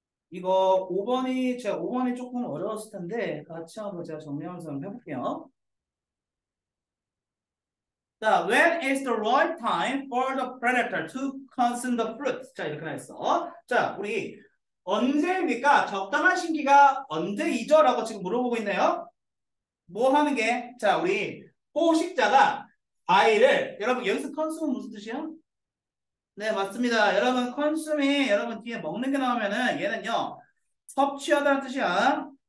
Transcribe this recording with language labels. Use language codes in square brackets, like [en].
[ko] 이거 5번이, 제가 5번이 조금 어려웠을 텐데, 같이 한번 제가 정리하면서 한번 해볼게요. [en] 자, when is the right time for the predator to consume the fruit? [ko] 자, 이렇게 나와있어. 자, 우리 언제입니까? 적당한 시기가 언제이죠? 라고 지금 물어보고 있네요. 뭐 하는 게? 자, 우리 포식자가 과일을, 여러분 여기서 consume 무슨 뜻이야? 네, 맞습니다. 여러분, consume이 여러분 뒤에 먹는 게 나오면은 얘는요, 섭취하다는 뜻이야.